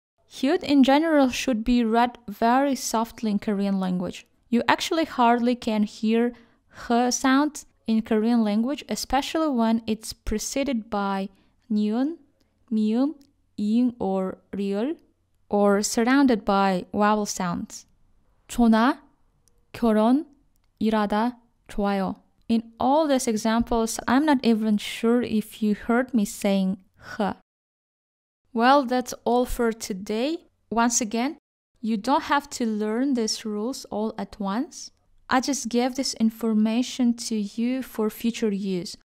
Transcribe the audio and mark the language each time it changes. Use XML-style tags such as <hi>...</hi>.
<en>Hyut in general should be read very softly in Korean language. You actually hardly can hear h sound in Korean language, especially when it's preceded by niun, miun, ing or real, or surrounded by vowel sounds.</en> <ko>존아, 결혼, 일하다, 좋아요.</ko> <en>In all these examples, I'm not even sure if you heard me saying 허. Well, that's all for today. Once again, you don't have to learn these rules all at once. I just gave this information to you for future use.</en>